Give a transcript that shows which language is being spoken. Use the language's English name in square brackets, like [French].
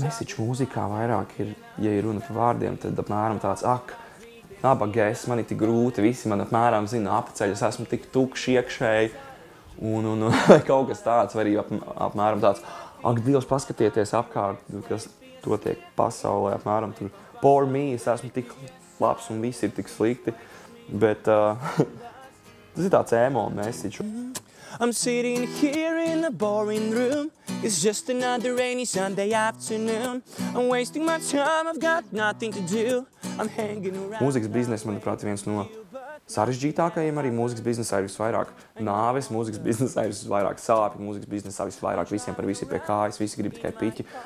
[Latvian] Message mūzikā vairāk ir, ja ir runa par vārdiem, tad apmēram tāds, ak, nabagais, mani tik grūti, visi man apmēram zina apceļ, es esmu tik tukš iekšēji. Un kaut kas tāds, vai arī apmēram tāds, ak, Dievs, paskatieties apkārt, kas to tiek pasaulē, apmēram tur [English] poor me, [Latvian] es esmu tik labs un visi ir tik slikti, bet tas ir tāds emo message. [English] I'm sitting here in a boring room. It's just another rainy Sunday afternoon. I'm wasting my time, I've got nothing to do. I'm hanging around. [Latvian] Mūzikas biznesa, manuprāt, viens no sarežģītākajiem, arī mūzikas biznesā ir visvairāk nāves, mūzikas biznesā ir visvairāk sāpi, mūzikas biznesā visvairāk visiem par visi pie kājas, visi grib tikai piķi.